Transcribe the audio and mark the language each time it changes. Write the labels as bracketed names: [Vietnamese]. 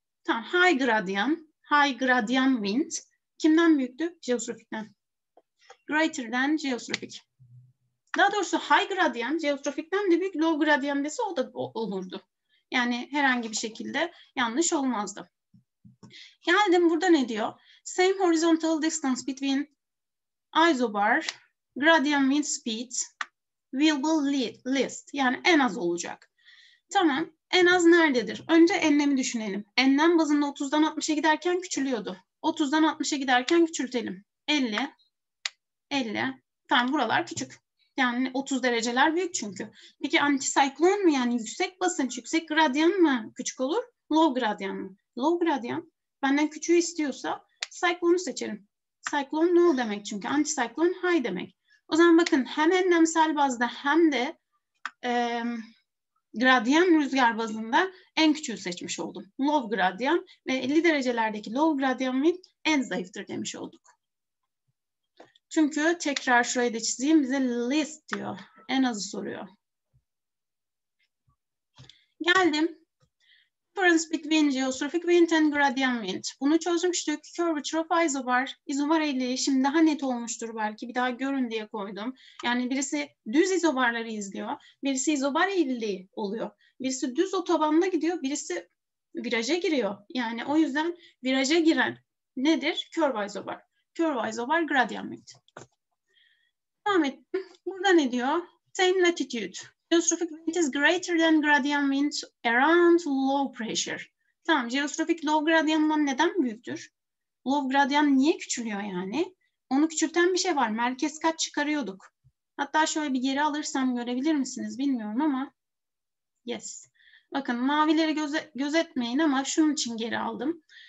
[Turkish] Tamam, high gradyan, high gradyan wind kimden büyüktü? Geostrofikten. [English] Greater than geostrofik. [Turkish] Daha doğrusu high gradyan geostrofikten de büyük, low gradyan dese o da olurdu. Yani herhangi bir şekilde yanlış olmazdı. Geldim, burada ne diyor? [English] Same horizontal distance between isobar gradyan wind speed will be least. [Turkish] Yani en az olacak. Tamam. En az nerededir? Önce enlemi düşünelim. Enlem bazında 30'dan 60'a giderken küçülüyordu. 30'dan 60'a giderken küçültelim. 50. 50. Tamam, buralar küçük. Yani 30 dereceler büyük çünkü. Peki antisiklon mu, yani yüksek basınç, yüksek gradyan mı küçük olur? Low gradyan mı? Low gradyan. Benden küçüğü istiyorsa siklonu seçerim. Siklon low demek çünkü. Antisiklon high demek. O zaman bakın hem enlemsel bazda hem de gradyan rüzgar bazında en küçüğü seçmiş oldum. Low gradyan ve 50 derecelerdeki low gradyan wind en zayıftır demiş olduk. Çünkü tekrar şurayı da çizeyim, bize least diyor. En azı soruyor. Geldim. [English] Difference between geostrophic wind and gradyan wind. [Turkish] Bunu çözmüştük. Curvature of isobar. İzobar 50. Şimdi daha net olmuştur belki. Bir daha görün diye koydum. Yani birisi düz izobarları izliyor. Birisi izobar 50 oluyor. Birisi düz otobanda gidiyor. Birisi viraja giriyor. Yani o yüzden viraja giren nedir? [English] Curve isobar. Curve isobar gradyan wind. [Turkish] Devam ettim. Burada ne diyor? [English] Same latitude. Geostrophic wind is greater than gradient wind around low pressure. [Turkish] Tamam, geostrophic low gradyandan neden büyüktür? Low gradyan niye küçülüyor yani? Onu küçülten bir şey var. Merkez kaç çıkarıyorduk. Hatta şöyle bir geri alırsam görebilir misiniz bilmiyorum ama. [English] Yes. [Turkish] Bakın mavileri gözetmeyin ama şunun için geri aldım.